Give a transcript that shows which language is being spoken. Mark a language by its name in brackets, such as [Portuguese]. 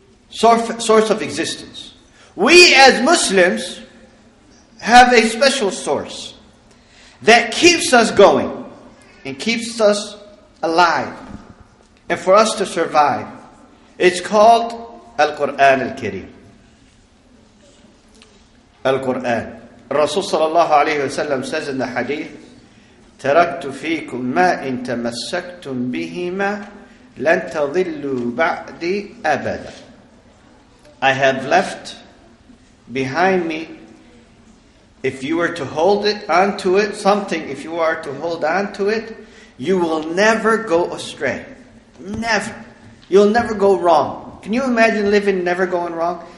[English] Source of existence. We as Muslims have a special source that keeps us going and keeps us alive. And for us to survive, it's called Al-Qur'an Al-Kareem. Al-Qur'an. Rasul sallallahu alayhi wa sallam says in the hadith, [Arabic] تَرَكْتُ فِيكُمْ مَا إِن تَمَسَّكْتُمْ بِهِمَا لَن تَظِلُّوا بَعْدِ أَبَدًا. [English] I have left behind me, if you were to hold it onto it, something, if you are to hold on to it, you will never go astray. Never. You'll never go wrong. Can you imagine living never going wrong?